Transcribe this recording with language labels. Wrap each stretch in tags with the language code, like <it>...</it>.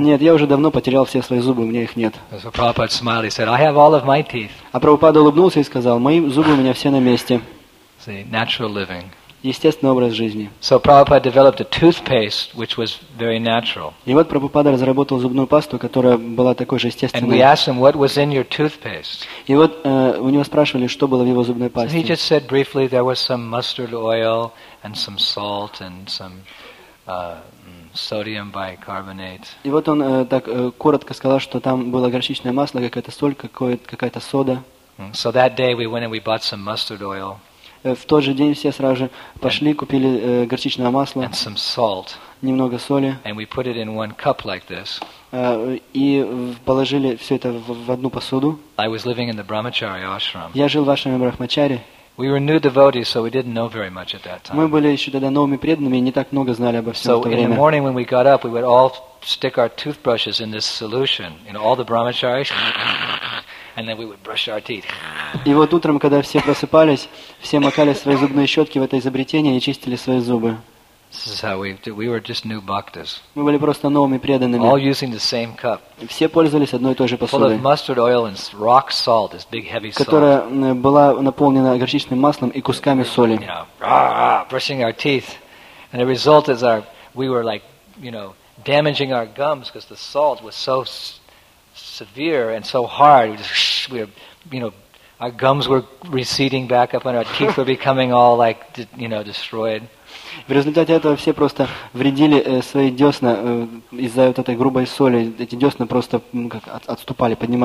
<ru>Нет, я уже давно потерял все свои зубы, у меня их нет.</ru> <en>So Prabhupada smiled. He said, "I have all of my teeth."</en> <ru>А Прабхупада улыбнулся и сказал: "Мои зубы у меня все на месте."</ru> <en>See, natural living.</en> <ru>Естественный образ жизни.</ru> <en>So Prabhupada developed a toothpaste, which was very natural.</en> <ru>И вот Прабхупада разработал зубную пасту, которая была такой же естественной.</ru> <en>And we asked him, "What was in your toothpaste?"</en> <ru>И вот у него спрашивали, что было в его зубной пасте.</ru> <en>He just said briefly, "There was some mustard oil." And some salt and some sodium bicarbonate.</en> <ru>И вот он так коротко сказал, что там было горчичное масло, какая-то соль, какая-то сода.</ru> <en>So that day we went and we bought some mustard oil.</en> <ru>В тот же день все сразу же пошли, купили горчичное масло.</ru> <en>And some salt.</en> <ru>Немного соли.</ru> <en>And we put it in one cup like this.</en> <ru>И положили все это в одну посуду.</ru> <en>I was living in the Brahmachari ashram.</en> <ru>Я жил в ашраме Брахмачари.</ru> <en>We were new devotees, so we didn't know very much at that time.</en> <ru>Мы были еще тогда новыми преданными и не так много знали обо всем в то время.</ru> <en>So in the morning when we got up, we would all stick our toothbrushes in this solution, in all the brahmacharis, and then we would brush our teeth.</en> <ru>И вот утром, когда все просыпались, все макали свои зубные щетки в это изобретение и чистили свои зубы.</ru> <en>This is how we were just new bhaktas.</en> <ru>Мы были просто новыми преданными.</ru> <en>All using the same cup.</en> <ru>Все пользовались одной и той же посудой.</ru> <en>Full of mustard oil and rock salt, this big heavy salt.</en> <ru>Которая была наполнена горчичным маслом и кусками соли.</ru> <en>Brushing our teeth, and the result is our we were like you know damaging our gums because the salt was so severe and so hard. Our gums were receding back up, and our teeth were becoming all like you know destroyed.</en> <ru>В результате этого все просто вредили свои десна из-за вот этой грубой соли. Эти десна просто отступали,</ru>